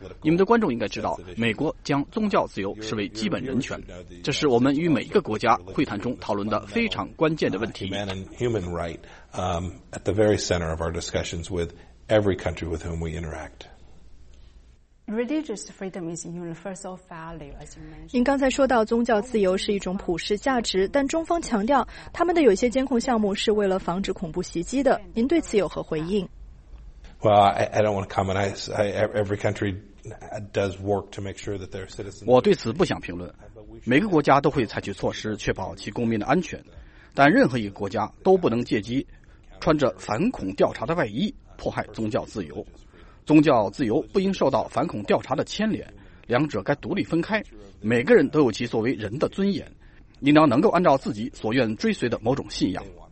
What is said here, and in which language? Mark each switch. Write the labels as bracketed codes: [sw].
[zh] 你们的观众应该知道，美国将宗教自由视为基本人权，这是我们与每一个国家会谈中讨论的非常关键的问题。 [en] Human right, at the very center of our discussions with every country with whom we interact. Religious freedom is universal value, as you mentioned. [zh] 您刚才说到宗教自由是一种普世价值，但中方强调他们的有些监控项目是为了防止恐怖袭击的。您对此有何回应 [en] ？Well, I don't want to comment. Every country does work to make sure that their citizens. [zh] 我对此不想评论。每个国家都会采取措施确保其公民的安全，但任何一个国家都不能借机穿着反恐调查的外衣迫害宗教自由。宗教自由不应受到反恐调查的牵连，两者该独立分开。每个人都有其作为人的尊严，应当能够按照自己所愿追随的某种信仰。